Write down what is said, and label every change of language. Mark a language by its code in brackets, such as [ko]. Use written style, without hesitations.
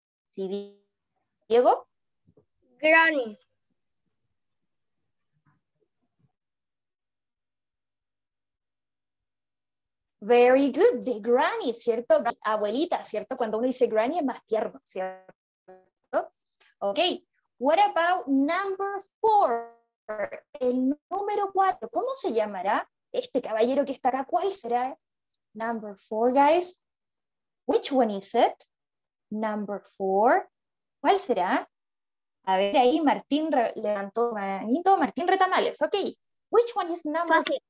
[es] Sí, Diego. [en] Granny. Very good, the granny, [es] ¿cierto? Abuelita, ¿cierto? Cuando uno dice granny es más tierno, ¿cierto? [en] Ok, what about number four? [es] El número cuatro, ¿cómo se llamará este caballero que está acá? ¿Cuál será? [en] Number four, guys. Which one is it? Number four. [es] ¿Cuál será? A ver, ahí Martín levantó manito. [en] Martín Retamales, ok. Which one is number